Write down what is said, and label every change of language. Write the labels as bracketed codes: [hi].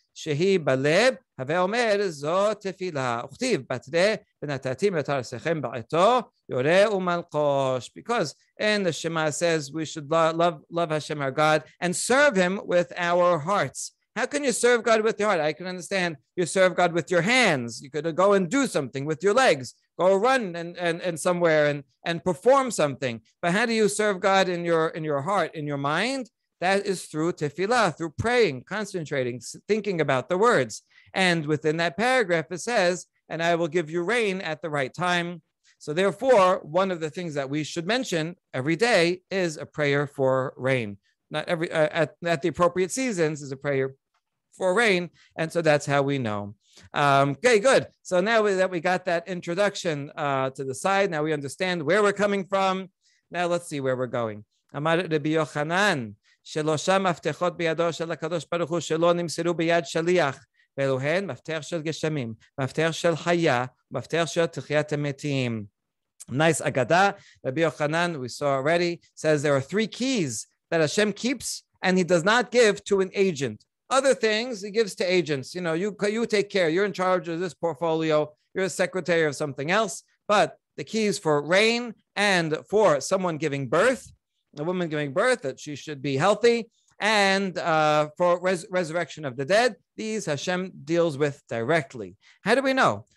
[he] שהיא בלב, הווה אומר, זו תפילה. וכתיב, בתרי ונתתי מיותר שכם בעתו, יורה ומלכוש. [en] Because in the Shema says we should love Hashem our God and serve him with our hearts. How can you serve God with your heart? I can understand you serve God with your hands. You could go and do something with your legs. Go run and somewhere and perform something. But how do you serve God in your heart, in your mind? That is through tefillah, through praying, concentrating, thinking about the words. And within that paragraph, it says, and I will give you rain at the right time. So therefore, one of the things that we should mention every day is a prayer for rain. Not every at the appropriate seasons is a prayer for rain. And so that's how we know. Okay, good. So now that we got that introduction to the side, now we understand where we're coming from. Now let's see where we're going. Amar Rabbi Yochanan. [he] שלושה מפתחות בידו של הקדוש ברוך הוא שלא נמסרו ביד שליח, ואלו הן מפתח של גשמים, מפתח של חיה, מפתח של תחיית המתים. [en] Nice agada, Rabbi Yochanan, we saw already, says there are three keys that Hashem keeps and he does not give to an agent. Other things he gives to agents. You know, you take care, you're in charge of this portfolio, you're a secretary of something else, but the keys for rain and for someone giving birth, a woman giving birth, that she should be healthy, and for resurrection of the dead, these Hashem deals with directly. How do we know?